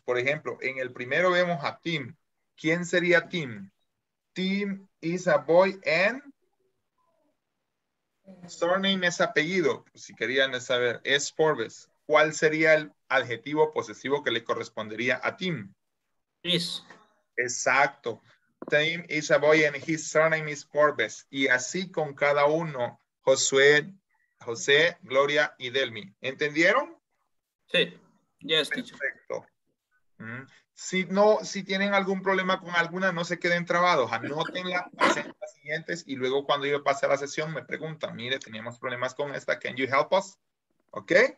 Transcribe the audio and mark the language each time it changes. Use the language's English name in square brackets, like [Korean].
[Spanish] Por ejemplo, en el primero vemos a Tim. ¿Quién sería Tim? [English] Tim is a boy and surname [Spanish] es apellido. Si querían saber, es Forbes. ¿Cuál sería el adjetivo posesivo que le correspondería a Tim? [English] Is. [Spanish] Exacto. [English] Tim is a boy and his surname is Forbes. [Spanish] Y así con cada uno, Josué, José, Gloria y Delmi. ¿Entendieron? Sí. [English] Yes, [Spanish] perfecto. Si tienen algún problema con alguna, no se queden trabados, anótenla, pasen las siguientes y luego cuando yo pase a la sesión me preguntan, mire, teníamos problemas con esta, [English] can you help us? [Spanish] Ok.